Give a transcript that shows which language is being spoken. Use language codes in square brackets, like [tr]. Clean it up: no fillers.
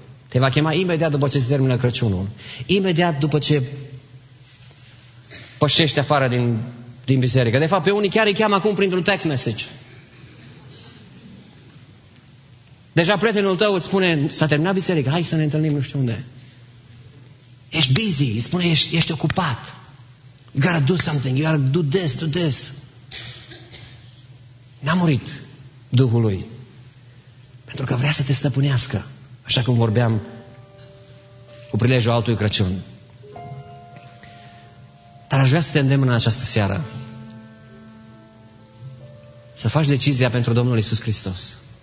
[ro] Te va chema imediat după ce se termină Crăciunul. Imediat după ce pășești afară din biserică. De fapt, pe unii chiar îi cheamă acum printr-un text message. Deja prietenul tău îți spune, s-a terminat biserica, hai să ne întâlnim nu știu unde. Ești busy, îți spune, ești ocupat. [en] You gotta do something, you gotta do this. [ro] N-a murit Duhul lui. Pentru că vrea să te stăpânească, așa cum vorbeam cu prilejul altui Crăciun. Dar aș vrea să te îndemn în această seară să faci decizia pentru Domnul Iisus Hristos.